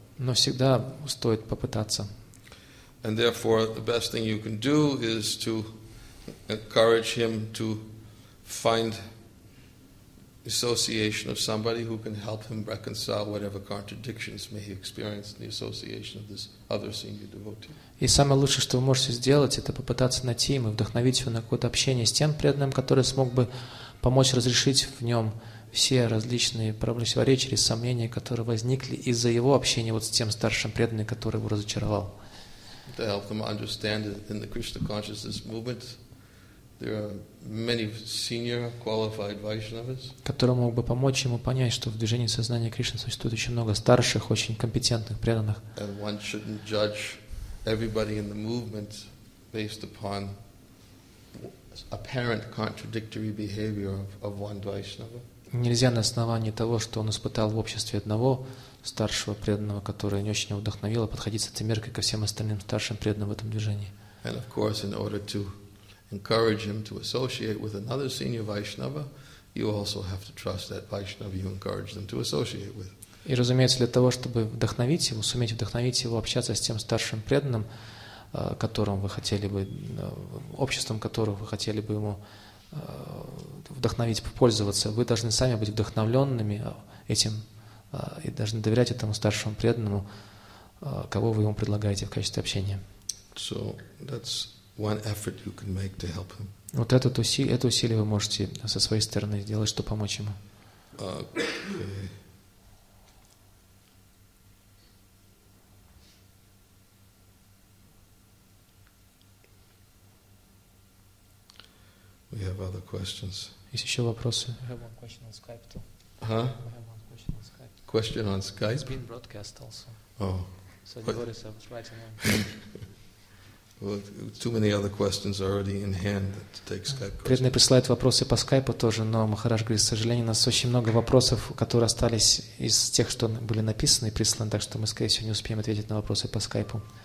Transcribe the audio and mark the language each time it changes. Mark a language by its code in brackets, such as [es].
[ru] Но всегда стоит попытаться. [en] And therefore, the best thing you can do is to encourage him to find association of somebody who can help him reconcile whatever contradictions may he experience in the association of this other senior devotee. [ru] И самое лучшее, что вы можете сделать, это попытаться найти и вдохновить его на какое-то общение с тем преданным, который смог бы помочь разрешить в нем все различные противоречия и сомнения, которые возникли из-за его общения вот с тем старшим преданным, который его разочаровал. [en] To help them understand that in the Krishna consciousness movement, there are many senior qualified Vaishnavas. [ru] Который мог бы помочь ему понять, что в движении сознания Кришны существует еще много старших, очень компетентных преданных. [en] And one shouldn't judge everybody in the movement based upon apparent contradictory behavior of one Vaishnava. [ru] Нельзя на основании того, что он испытал в обществе одного старшего преданного, которое не очень его вдохновило, подходить с этой меркой ко всем остальным старшим преданным в этом движении. [en] And of course, in order to encourage him to associate with another senior Vaishnava, you also have to trust that Vaishnava you encourage them to associate with. [ru] И, разумеется, для того, чтобы вдохновить его, суметь вдохновить его общаться с тем старшим преданным, которым вы хотели бы, обществом которого вы хотели бы ему вдохновить, пользоваться, вы должны сами быть вдохновленными этим и должны доверять этому старшему преданному, кого вы ему предлагаете в качестве общения. [en] So that's one effort you can make to help him. [ru] Вот это усилие вы можете со своей стороны сделать, чтобы помочь ему. [en] Okay. We have other questions. [ru] Есть еще вопросы? [en] I have one question on Skype too. Huh? I have one question on Skype. Question on Skype? It's been broadcast also. Oh. So the devotees are writing on. Well, too many other questions are already in hand to take Skype. [ru] Преданные присылают вопросы по Skype тоже, но Махарадж говорит, к сожалению, у нас очень много вопросов, которые остались из тех, что были написаны и присланы, так что мы, скорее всего, не успеем ответить на вопросы по Skype.